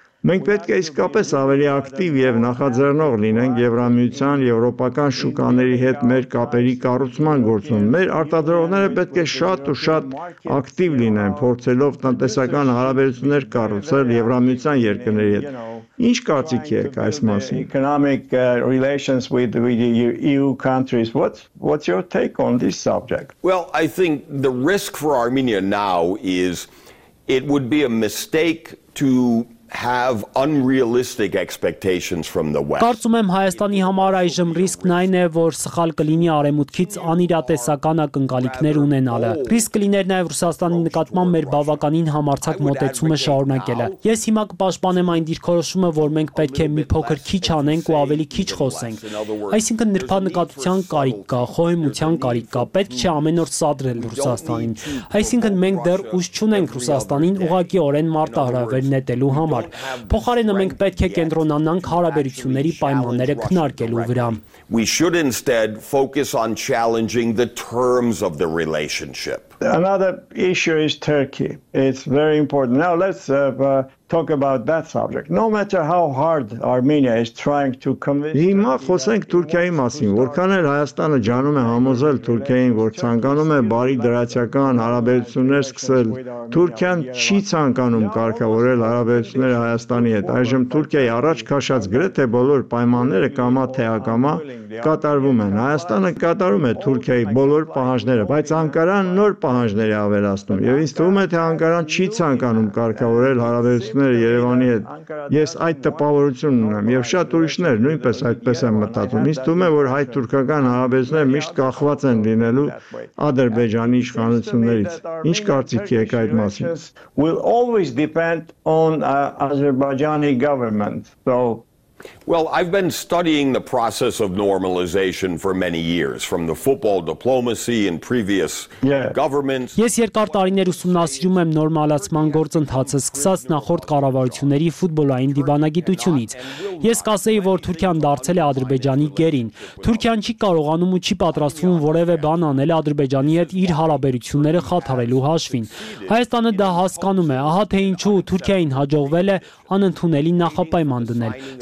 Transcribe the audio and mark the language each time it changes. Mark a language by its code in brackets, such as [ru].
[hy] Մենք պետք է իսկապես ավելի ակտիվ եւ նախաձեռնող լինենք Եվրամիության, եվրոպական շուկաների հետ մեր կապերի կառուցման գործում։ Մեր արտադրողները պետք է շատ ու շատ ակտիվ լինեն, փորձելով տնտեսական հարաբերություններ կառուցել Եվրամիության երկրների հետ։ Ինչ կարծիք եք այս մասին? [en] Economic relations with the EU countries. What's your take on this subject? Well, I think the risk for Armenia now is it would be a mistake to have unrealistic expectations from the West. [hy] Կարծում եմ, Հայաստանի համար այժմ ռիսկն այն է, որ սխալ կլինի Արեմուտքից անիրատեսական ակնկալիքներ ունենալը։ Ռիսկ կլիներ նաև Ռուսաստանի նկատմամբ մեր բավականին համարձակ մոտեցումը շարունակելը։ Ես հիմա կպաշտպանեմ այն դիրքորոշումը, որ մենք պետք է մի փոքր քիչ անենք ու ավելի քիչ խոսենք։ Այսինքն նրբանկատության կարիք կա, խոհեմության կարիք կա, պետք չէ ամեն օր սադրել Ռուսաստանին։ Այսինքն մենք դեռ ուժ չունենք Ռուսաստանին ուղղակիորեն մարտահրավեր նետելու համար։ Փոխարենը մենք պետք է կենտրոնանանք հարաբերությունների պայմանները քննարկելու վրա։ [en] We should instead focus on challenging the terms of the relationship. Another issue is Turkey. It's very important. Now let's talk about that subject. No matter how hard Armenia is trying to convince [hy] Հիմա խոսենք Թուրքիայի մասին, որքան էլ Հայաստանը ջանում է համոզել Թուրքիային, որ ցանկանում է բարի դրացական հարաբերություններ սկսել, Թուրքիան չի ցանկանում կարգավորել հարաբերությունները Հայաստանի հետ։ Այժմ Թուրքիայի առաջ քաշած գրեթե բոլոր պայմանները կամա թե ակամա կատարվում են։ Հայաստանը կատարում է Թուրքիայի բոլոր պահանջները, բայց Անկարան նոր պահանջներ է ավելացնում, եւ ինձ թվում է, թե Անկարան չի ցանկանում կարգավորել հարաբերությունները Երևանի հետ։ Ես այդ տպավորությունն ունեմ, եւ շատ ուրիշներ նույնպես այդպես են մտածում։ Ինձ թվում է, որ հայ-թուրքական հարաբերությունները միշտ կախված են լինելու Ադրբեջանի իշխանություններից։ Ինչ կարծիք եք այդ մասին? [en] Will always depend on Azerbaijani government. So Well, I've been studying the process of normalization for many years, from the football diplomacy and previous governments. [hy] Ես երկար տարիներ ուսումնասիրում եմ նորմալացման գործընթացը, սկսած նախորդ կառավարությունների ֆուտբոլային դիվանագիտությունից։ Ես կասեի, որ Թուրքիան դարձել է Ադրբեջանի գերին։ Թուրքիան չի կարողանում ու չի պատրաստվում որևէ բան անել Ադրբեջանի հետ իր հարաբերությունները խաթարելու հաշվին։ Հայաստանը դա հասկանում է, ահա թե ինչու Թուրքիային հաջողվել է անընդունելի նախապայման դնել։